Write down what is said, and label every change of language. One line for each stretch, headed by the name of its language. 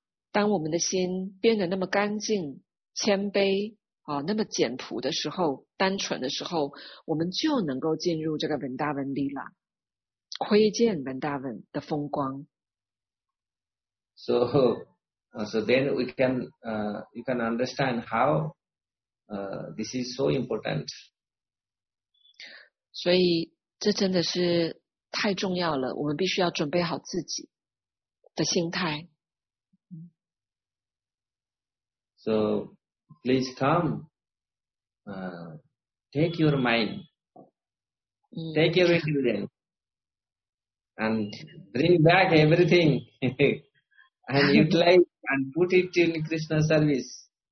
Chinese: 当我们的心变得那么干净谦卑那么简朴的时候，单纯的时候，我们就能够进入这个 Vrindavan Lila， 窥见 Vrindavan 的风光。
English: So then we can you can understand how this is so important.
Chinese: 所以这真的是太重要了，我们必须要准备好自己的心态。
English: So please come, take your mind, take your intelligence, and bring back everything and utilize and put it in Krishna service.